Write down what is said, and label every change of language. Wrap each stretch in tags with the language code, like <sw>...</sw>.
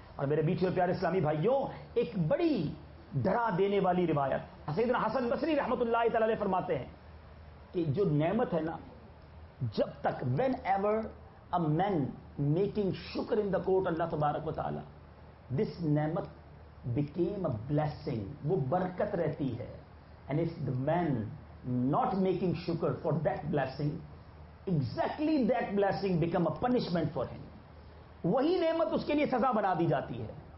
<ur>اور میرے بیٹھے اور پیارے اسلامی بھائیوں, ایک بڑی ڈرا دینے والی روایت, سیدنا حسن بصری رحمت اللہ تعالی علیہ فرماتے ہیں کہ جو نعمت ہے نا, جب تک</ur> <en>whenever a man making شکر in the court</en> <ur>اللہ تبارک و تعالی, دس نعمت</ur> <en>became a blessing,</en> <ur>وہ برکت رہتی ہے.</ur> <en>And if the man not making shukr for that blessing, exactly that blessing become a punishment for him.</en> <ur>وہی نعمت اس کے لیے سزا بنا دی جاتی ہے.</ur>